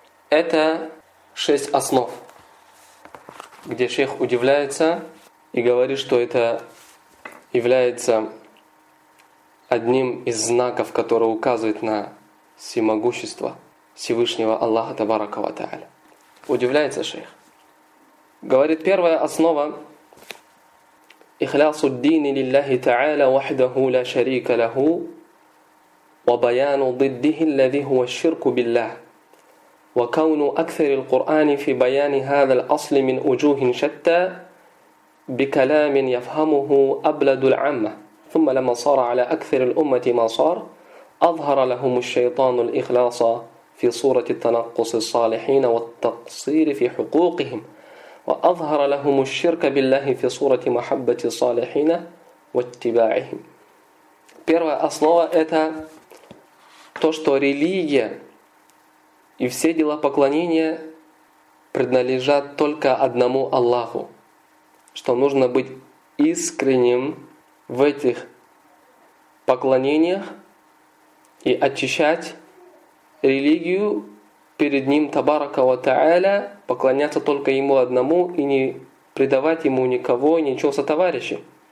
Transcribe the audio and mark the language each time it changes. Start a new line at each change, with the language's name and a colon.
Russian: Это шесть основ, где шейх удивляется и говорит, что это является одним из знаков, который указывает на всемогущество Всевышнего Аллаха Табарака ва Тааля. Удивляется шейх. Говорит, первая основа:
Arabic: «Ихлясу ддини лилляхи та'аля вахдаху ля шарика лаху». وبيان ضده الذي هو الشرك بالله وكون أكثر القرآن في بيان هذا الأصل من وجوه شتى بكلام يفهمه أبلد العامة ثم لما صار على أكثر الأمة ما صار أظهر لهم الشيطان الإخلاص في صورة التنقص الصالحين والتقصير في حقوقهم وأظهر لهم الشرك بالله في صورة محبة الصالحين واتباعهم.
Russian: Первая основа – это то, что религия и все дела поклонения принадлежат только одному Аллаху, что нужно быть искренним в этих поклонениях и очищать религию перед Ним Табарака ва Тааля, поклоняться только Ему одному и не предавать Ему никого и ничего сотоварищей.